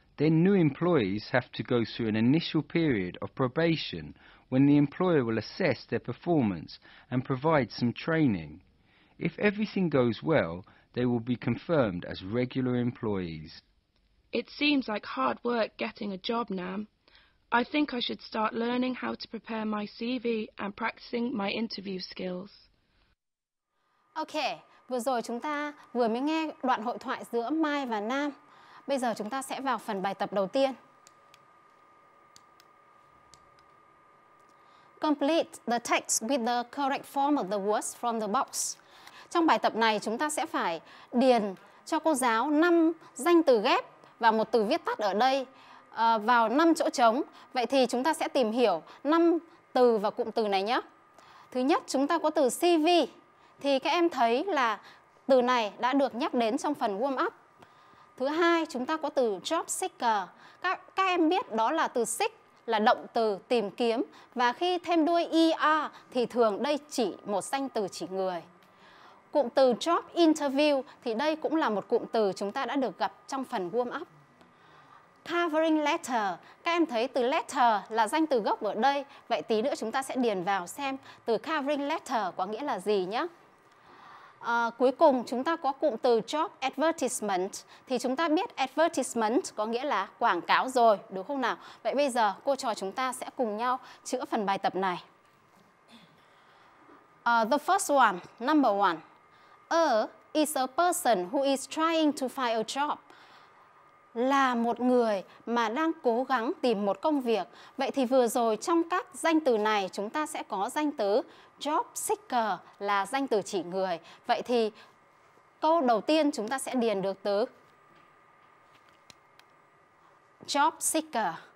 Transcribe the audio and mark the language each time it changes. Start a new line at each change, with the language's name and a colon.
English: Then new employees have to go through an initial period of probation when the employer will assess their performance and provide some training. If everything goes well, they will be confirmed as regular employees. It seems like hard work getting a job, Nam. I think I should start learning how to prepare my CV and practicing my interview skills.
Vietnamese: Okay, vừa rồi chúng ta vừa mới nghe đoạn hội thoại giữa Mai và Nam. Bây giờ chúng ta sẽ vào phần bài tập đầu tiên.
English: Complete the text with the correct form of the words from the box.
Vietnamese: Trong bài tập này chúng ta sẽ phải điền cho cô giáo 5 danh từ ghép và một từ viết tắt ở đây vào 5 chỗ trống. Vậy thì chúng ta sẽ tìm hiểu 5 từ và cụm từ này nhé. Thứ nhất chúng ta có từ CV. Thì các em thấy là từ này đã được nhắc đến trong phần warm up. Thứ hai chúng ta có từ job seeker. Các em biết đó là từ seek là động từ tìm kiếm. Và khi thêm đuôi ER thì thường đây chỉ một danh từ chỉ người. Cụm từ job interview thì đây cũng là một cụm từ chúng ta đã được gặp trong phần warm up. Covering letter, các em thấy từ letter là danh từ gốc ở đây. Vậy tí nữa chúng ta sẽ điền vào xem từ covering letter có nghĩa là gì nhé. Cuối cùng chúng ta có cụm từ job advertisement. Thì chúng ta biết advertisement có nghĩa là quảng cáo rồi, đúng không nào? Vậy bây giờ cô trò chúng ta sẽ cùng nhau chữa phần bài tập này.
English: The first one, number one. Is a person who is trying to find a job.
Vietnamese: Là một người mà đang cố gắng tìm một công việc. Vậy thì vừa rồi trong các danh từ này chúng ta sẽ có danh từ job seeker là danh từ chỉ người. Vậy thì câu đầu tiên chúng ta sẽ điền được từ job seeker.